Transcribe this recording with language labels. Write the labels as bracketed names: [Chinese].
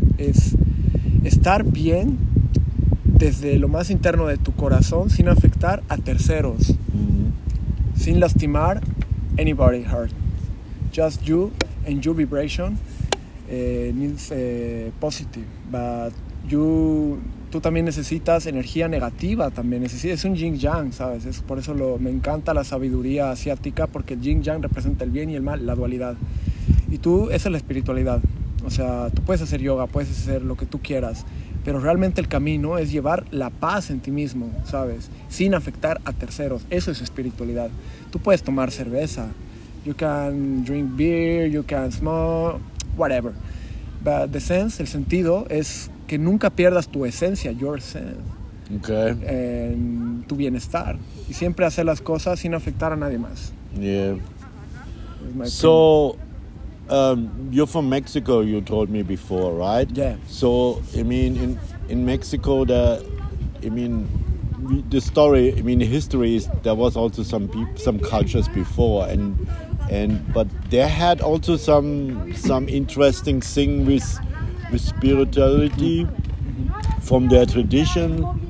[Spanish] es estar bien desde lo más interno de tu corazón sin afectar a terceros, sin lastimar [English] anybody hurt, just you and your vibration needs positive, but you, [Spanish] tú también necesitas energía negativa, también necesitas, es un yin yang, sabes, es por eso lo, me encanta la sabiduría asiática, porque el yin yang representa el bien y el mal, la dualidad, y tú, esa es la espiritualidad. O sea, tú puedes hacer yoga, puedes hacer lo que tú quieras, pero realmente el camino es llevar la paz en ti mismo, ¿sabes? Sin afectar a terceros. Eso es espiritualidad. Tú puedes tomar cerveza. [English] You can drink beer, you can smoke, whatever. But the sense, [Spanish] el sentido, es que nunca pierdas tu esencia, [English] your sense. Okay. [Spanish] En tu bienestar. Y siempre hacer las cosas sin afectar a nadie más. [English] Yeah. So... you're from Mexico, you told me before, right? Yeah. So, I mean, in Mexico, history is there was also some cultures before, but they had also some interesting thing with spirituality from their tradition.